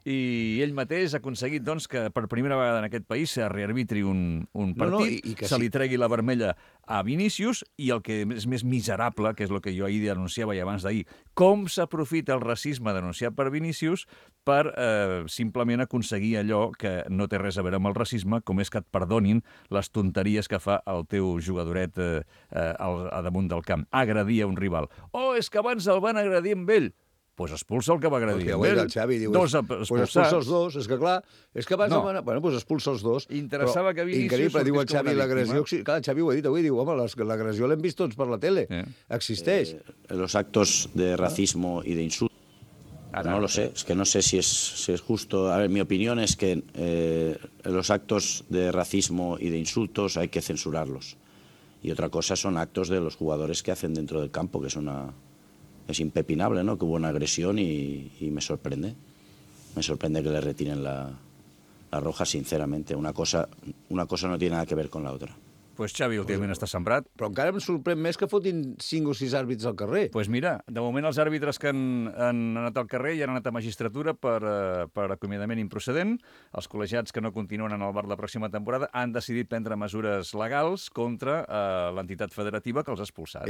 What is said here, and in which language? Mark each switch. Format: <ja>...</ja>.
<ca>I ell mateix ha aconseguit, doncs, que per primera vegada en aquest país se rearbitri un partit, se li tregui la vermella a Vinícius, i el que és més miserable, que és el que jo ahir denunciava i abans d'ahir, com s'aprofita el racisme denunciat per Vinícius per simplement aconseguir allò que no té res a veure amb el racisme, com és que et perdonin les tonteries que fa el teu jugadoret a damunt del camp. Agredir a un rival. Oh, és que abans el van agredir amb ell. Pues expulsa el que va agredir. Okay, el Xavi diu, dos expulsats. Pues expulsa els dos, és que clar, és que abans... No. Van... Bueno, pues expulsa els dos. Interessava que Vinícius... Increïble, diu el Xavi, l'agressió... Clar, Xavi ho ha dit avui, diu, home, l'agressió l'hem vist tots per la tele. Existeix.</ca> <es>Los actos de racismo y de insulto. Ara, no lo sé, es que no sé si es justo. A ver, mi opinión es que los actos de racismo y de insultos hay que censurarlos. Y otra cosa son actos de los jugadores que hacen dentro del campo, que es impepinable, ¿no? Que hubo una agresión y me sorprende. Me sorprende que le retiren la roja, sinceramente. Una cosa no tiene nada que ver con la otra.</es> <ca>Pues Xavi, últimament està sembrat. Però encara em sorprèn més que fotin 5 o 6 àrbitres al carrer. Pues mira, de moment els àrbitres que han anat al carrer i han anat a magistratura per acomiadament improcedent, els col·legiats que no continuen en el VAR la pròxima temporada, han decidit prendre mesures legals contra l'entitat federativa que els ha expulsat.</ca>